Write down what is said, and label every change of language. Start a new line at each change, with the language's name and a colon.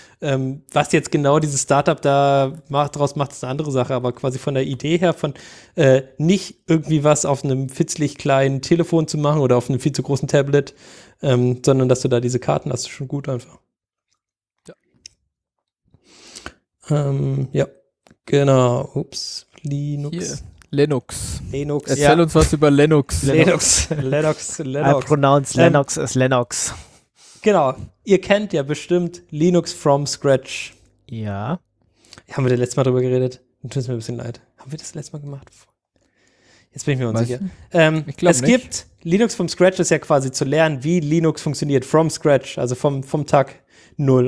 German: Was jetzt genau dieses Startup da macht, daraus macht, ist eine andere Sache, aber quasi von der Idee her, von nicht irgendwie was auf einem fitzlig kleinen Telefon zu machen oder auf einem viel zu großen Tablet, sondern dass du da diese Karten hast, ist schon gut einfach. Ja, genau. Ups, Linux. Linux. Linux. Erzähl uns was über Linux. Linux. Linux. Linux.
English: I pronounce Linux as Linux.
German: Genau. Ihr kennt ja bestimmt Linux from Scratch. Ja. Haben wir das letzte Mal drüber geredet? Tut es mir ein bisschen leid. Haben wir das letzte Mal gemacht? Jetzt bin ich mir unsicher. Ich glaube nicht. Es gibt Linux from Scratch ist ja quasi zu lernen, wie Linux funktioniert, from Scratch, also vom Tag Null.